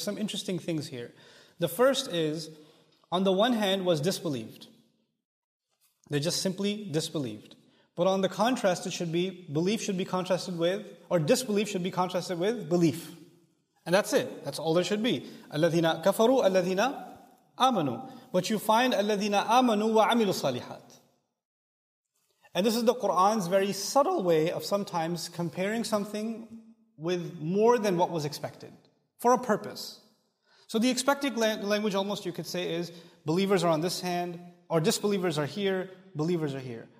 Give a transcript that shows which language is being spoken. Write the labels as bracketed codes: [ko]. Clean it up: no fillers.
[en] There's some interesting things here. The first is, on the one hand, was disbelieved. They just simply disbelieved. But on the contrast, it should be, belief should be contrasted with, or disbelief should be contrasted with belief. And that's it. That's all there should be. [ar] أَلَّذِينَ كَفَرُوا أَلَّذِينَ آمَنُوا. [en] But you find [ar] أَلَّذِينَ آمَنُوا وَعَمِلُوا الصَّالِحَاتِ. [en] And this is the Qur'an's very subtle way of sometimes comparing something with more than what was expected, for a purpose. So the expected language, almost you could say, is believers are on this hand, or disbelievers are here, believers are here.